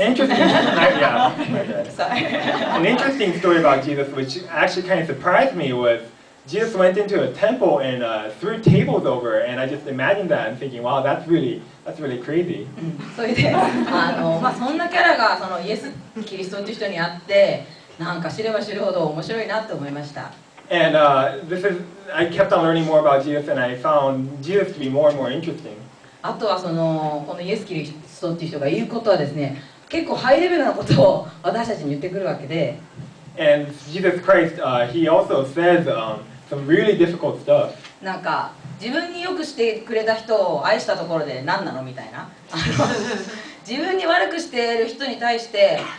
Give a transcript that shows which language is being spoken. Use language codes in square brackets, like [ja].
[en] An interesting story about Jesus, which actually kind of surprised me, was Jesus went into a temple and threw tables over, and I just imagined that and thinking, wow, that's really crazy. So, so in that character, so Jesus Christ in the person, I thought, I don't know, I thought it was interesting. And、this is, I kept on learning more about Jesus, and I found Jesus to be more and more interesting. [ja] あとはこのイエス・キリストっていう人が言うことはですね、結構ハイレベルなことを私たちに言ってくるわけで。 [en] And Jesus Christ,、he also says、some really difficult stuff. [ja] なんか自分によくしてくれた人を愛したところで何なのみたいな。自分に悪くしてる人に対して。